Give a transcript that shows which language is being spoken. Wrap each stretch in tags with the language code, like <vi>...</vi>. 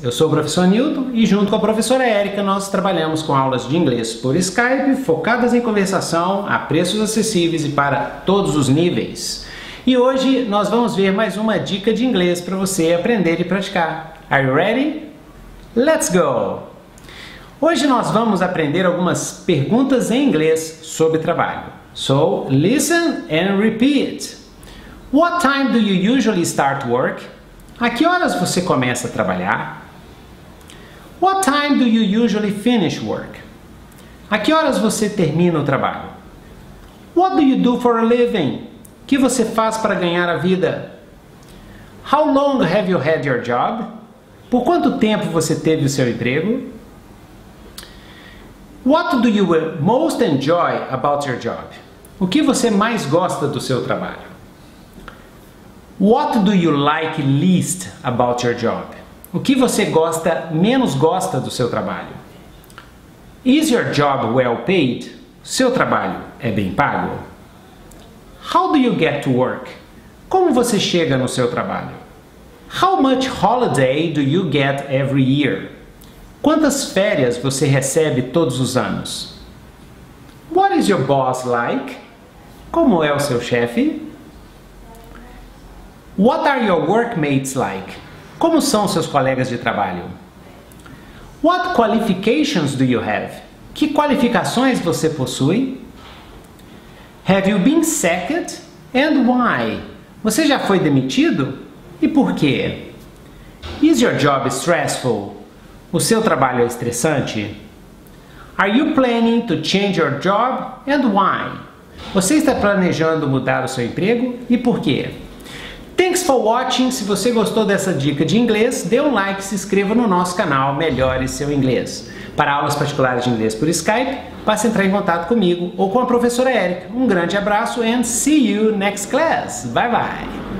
<pt>Eu sou o professor Nilton e junto com a professora Erika nós trabalhamos com aulas de inglês por Skype focadas em conversação a preços acessíveis e para todos os níveis. E hoje nós vamos ver mais uma dica de inglês para você aprender e praticar.</pt> <en>Are you ready? Let's go!</en> <pt>Hoje nós vamos aprender algumas perguntas em inglês sobre trabalho.</pt> <en>So, listen and repeat. What time do you usually start work?</en> <pt>A que horas você começa a trabalhar?</pt> <en>What time do you usually finish work?</en> <pt>A que horas você termina o trabalho?</pt> <en>What do you do for a living?</en> <pt>O que você faz para ganhar a vida?</pt> <en>How long have you had your job?</en> <pt>Por quanto tempo você teve o seu emprego?</pt> <en>What do you most enjoy about your job?</en> <pt>O que você mais gosta do seu trabalho?</pt> <en>What do you like least about your job?</en> <pt>O que você menos gosta do seu trabalho?</pt> <en>Is your job well paid?</en> <pt>Seu trabalho é bem pago?</pt> <en>How do you get to work?</en> <pt>Como você chega no seu trabalho?</pt> <en>How much holiday do you get every year?</en> <pt>Quantas férias você recebe todos os anos?</pt> <en>What is your boss like?</en> <pt>Como é o seu chefe?</pt> <en>What are your workmates like?</en> <pt>Como são seus colegas de trabalho?</pt> <en>What qualifications do you have?</en> <pt>Que qualificações você possui?</pt> <en>Have you been sacked? And why?</en> <pt>Você já foi demitido? E por quê?</pt> <en>Is your job stressful?</en> <pt>O seu trabalho é estressante?</pt> <en>Are you planning to change your job? And why?</en> <pt>Você está planejando mudar o seu emprego? E por quê?</pt> <en>Thanks for watching.</en> <pt>Se você gostou dessa dica de inglês, dê um like e se inscreva no nosso canal Melhore Seu Inglês. Para aulas particulares de inglês por Skype, basta entrar em contato comigo ou com a professora Erika. Um grande abraço</pt> <en>and see you next class. Bye bye.</en>